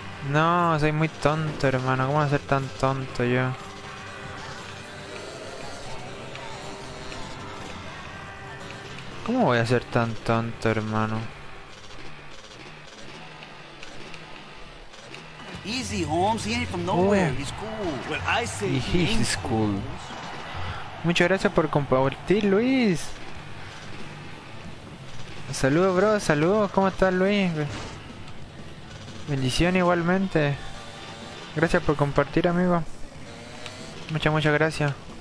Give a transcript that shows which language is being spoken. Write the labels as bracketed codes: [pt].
[es] No, soy muy tonto, hermano. ¿Cómo voy a ser tan tonto yo? ¿Cómo voy a ser tan tonto, hermano? [en] Easy, Holmes. He ain't from nowhere. He's cool. Well, I say he's cool. [es] Muchas gracias por compartir, Luis. Saludos, bro. Saludos. ¿Cómo estás, Luis? Bendición igualmente. Gracias por compartir, amigo. Muchas, muchas gracias.